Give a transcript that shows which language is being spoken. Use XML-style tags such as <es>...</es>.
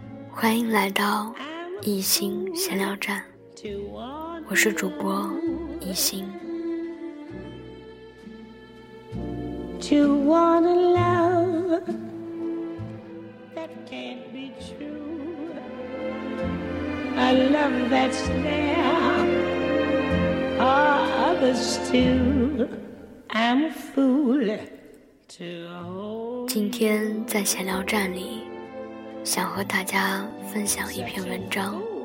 <zh>欢迎来到一心闲聊站，我是主播一心。</zh> <en>To want a love that can't be true, a love that's there for others too. I'm a fool to hold.</en> <zh>今天在闲聊站里，想和大家分享一篇文章。</zh>